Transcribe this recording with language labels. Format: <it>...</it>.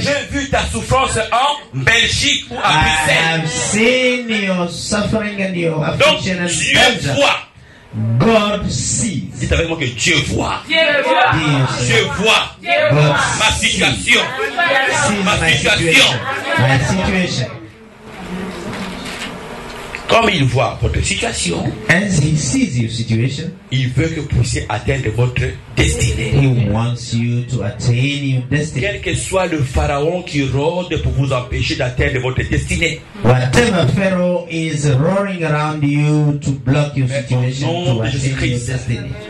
<fr>J'ai vu ta souffrance en Belgique ou à Bruxelles.</fr> <en>I have seen your suffering and your affliction</en> <fr>Donc,</fr> <en>in Belgium.</en> <fr>Dieu voit.</fr> <en>God sees.</en> <fr>Dites avec moi que Dieu voit. Dieu voit. Dieu voit.</fr> <en>God</en> <fr>ma situation.</fr> <en>Sees.</en> <fr>Ma situation.</fr> <en>My situation.</en> <fr>Comme il voit votre situation,</fr> <en>as he sees your situation,</en> <fr>il veut que vous puissiez atteindre votre destinée.</fr> <en>He wants you to attain your destiny.</en> <fr>Quel que soit le pharaon qui rôde pour vous empêcher d'atteindre votre destinée.</fr> <en>Whatever pharaoh is roaring around you to block your situation to attain your destiny.</en>